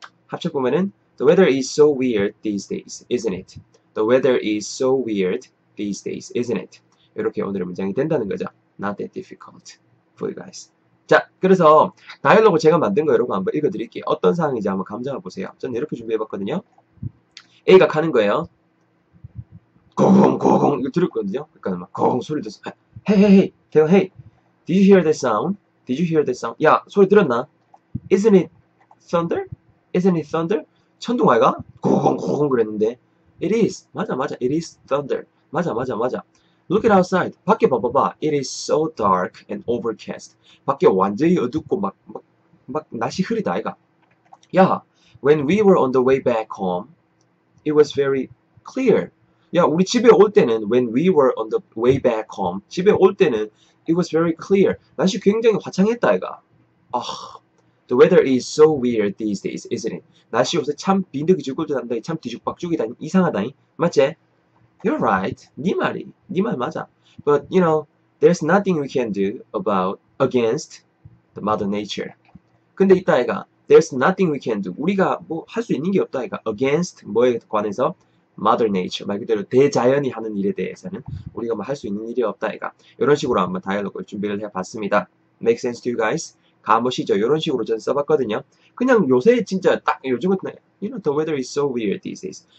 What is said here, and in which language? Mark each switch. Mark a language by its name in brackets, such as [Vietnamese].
[Korean] 합쳐 보면은 [English] The weather is so weird these days. Isn't it? The weather is so weird these days, isn't it? [Korean] 이렇게 오늘의 문장이 된다는 거죠. [English] Not that difficult for you guys. [Korean] 자, 그래서 다이얼로그 제가 만든 거 여러분 한번 읽어드릴게요. 어떤 상황인지 한번 감상해 보세요. 저는 이렇게 준비해봤거든요. A가 가는 거예요. 고공 고공 이거 들었거든요. 그러니까 막 고공 소리 들었어. [English] Hey, hey, hey, hey. Did you hear that sound? Did you hear that sound? [Korean] 야, 소리 들었나? [English] Isn't it thunder? Isn't it thunder? [Korean] 천둥 아이가? 고공 고공 그랬는데. [English] It is. [Korean] 맞아, 맞아. [English] It is thunder. [Korean] 맞아, 맞아, 맞아. [English] Look at outside. [Korean] 밖에 봐봐봐. [English] It is so dark and overcast. [Korean] 밖에 완전히 어둡고 막 날씨 흐리다, 아이가. [English] 야, when we were on the way back home, it was very clear. [Korean] 야, 우리 집에 올 때는, [English] when we were on the way back home, [Korean] 집에 올 때는, [English] it was very clear. [Korean] 날씨 굉장히 화창했다, 아이가. [English] The weather is so weird these days, isn't it? [Korean] 날씨 요새 참 비늘기 죽을듯한데, 참 뒤죽박죽이다니, 이상하다니. 맞제? [English] You're right. [Korean] 니 말이. 니말 맞아. [English] But, you know, there's nothing we can do about, against the mother nature. [Korean] 근데 이따 아이가, [English] there's nothing we can do. [Korean] 우리가 뭐할수 있는 게 없다, 아이가. [English] Against [Korean] 뭐에 관해서? [English] mother nature. [Korean] 말 그대로 대자연이 하는 일에 대해서는 우리가 뭐할수 있는 일이 없다, 아이가. 이런 식으로 한번 다이얼로그를 준비를 해봤습니다. [English] Make sense to you guys? [Korean] 가보시죠. 이런 식으로 저는 써봤거든요. 그냥 요새 진짜 딱 요즘 같은 날, [English] you know, the weather is so weird these days.